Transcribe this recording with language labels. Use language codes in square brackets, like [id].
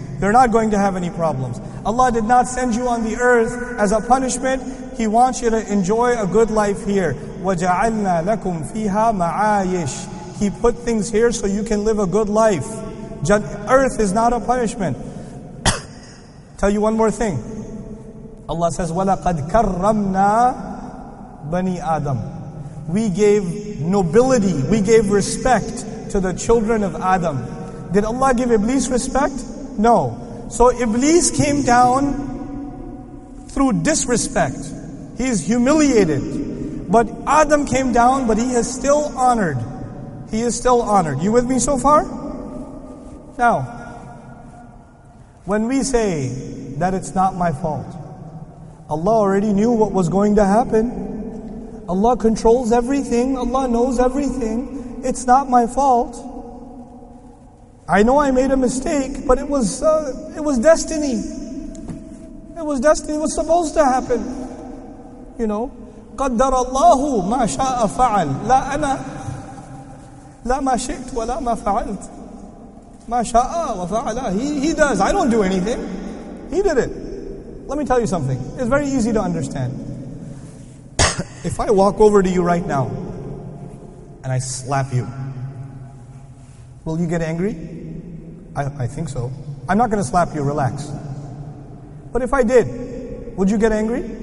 [en] They're not going to have any problems. Allah did not send you on the earth as a punishment. He wants you to enjoy a good life here. [ar] وَجَعَلْنَا لَكُمْ فِيهَا مَعَايِشْ. [en] He put things here so you can live a good life. Earth is not a punishment. Tell you one more thing. Allah says, [ar] وَلَقَدْ كَرَّمْنَا بَنِي آدَمَ. [en] We gave nobility, we gave respect to the children of Adam. Did Allah give Iblis respect? No. So Iblis came down through disrespect. He's humiliated. But Adam came down, but he is still honored. He is still honored. You with me so far? Now, when we say that it's not my fault, Allah already knew what was going to happen. Allah controls everything. Allah knows everything. It's not my fault. I know I made a mistake, but it was destiny. It was destiny. It was supposed to happen. You know, [ar] قدر الله ما شاء فعل لا أنا لا ما شئت ولا ما فعلت ما شاء وفعل. [en] He does. I don't do anything. He did it. Let me tell you something. It's very easy to understand. If I walk over to you right now and I slap you, will you get angry? I think so. I'm not going to slap you, relax. But if I did, would you get angry?